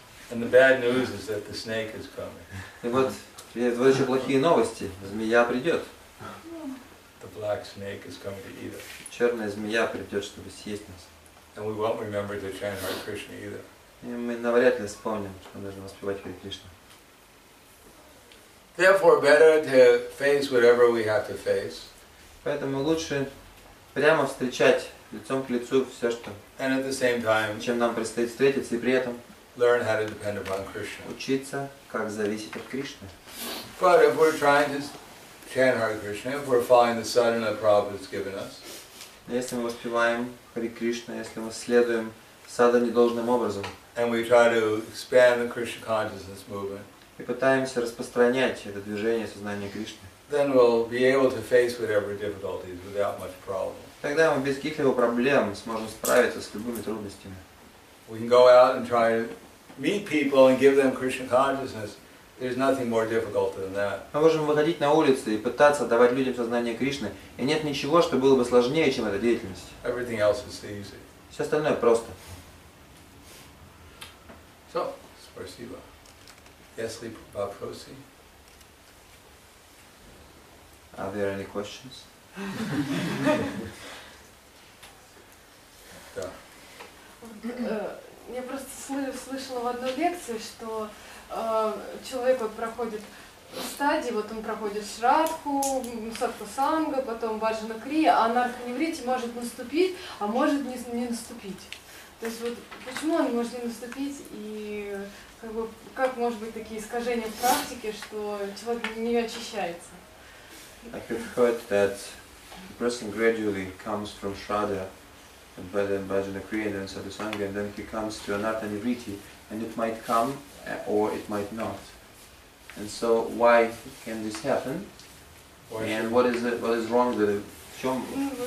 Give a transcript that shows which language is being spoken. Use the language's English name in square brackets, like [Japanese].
[English] And the bad news is that the snake is coming. [Russian] И вот, еще плохие новости. Змея придет. [English] The black snake is coming to eat us. [Russian] Черная змея придет, чтобы съесть нас. [English] And we won't remember to chant Hare Krishna either. [Russian] И мы навряд ли вспомним, что нужно воспевать Хари Кришну. [English] Therefore, better to face whatever we have to face. [Russian] Поэтому лучше прямо встречать лицом к лицу все, что. [English] And at the same time, [Russian] чем нам предстоит встретиться, и при этом. [English] Learn how to depend upon Krishna. [Russian] Учиться, как зависеть от Кришны. [English] But if we're trying to chant Hare Krishna, if we're following the sadhana Prabhupada's given us. [Russian] Если мы воспеваем Хари Кришна, если мы следуем садхане должным образом. [English] And we try to expand the Krishna consciousness movement. [Russian] И пытаемся распространять это движение сознания Кришны. [English] Then we'll be able to face whatever difficulties without much problem. [Russian] Тогда мы без каких-либо проблем сможем справиться с любыми трудностями. [English] We can go out and try to meet people and give them Krishna consciousness. There's nothing more difficult than that. [Russian] Мы можем выходить на улицы и пытаться давать людям сознание Кришны, и нет ничего, что было бы сложнее, чем эта деятельность. Everything else is easy. Все остальное просто. So, спасибо. Если вопросы. [English] Are there any questions? [Russian] Да. Я просто слышала в одной лекции, что человек вот проходит стадии, вот он проходит шрадху, саттва-санга, потом баджана-крия, а анарха-неврити может наступить, а может не наступить. То есть вот почему он может не наступить, и как бы как может быть такие искажения в практике, что человек не очищается? [English] I have heard that the person gradually comes from shraddha, and then bhajana-kriya, and then sadhusanga, and then he comes to anartha-nivritti, and it might come, or it might not. And so, why can this happen? Why and what is it, what is wrong with it?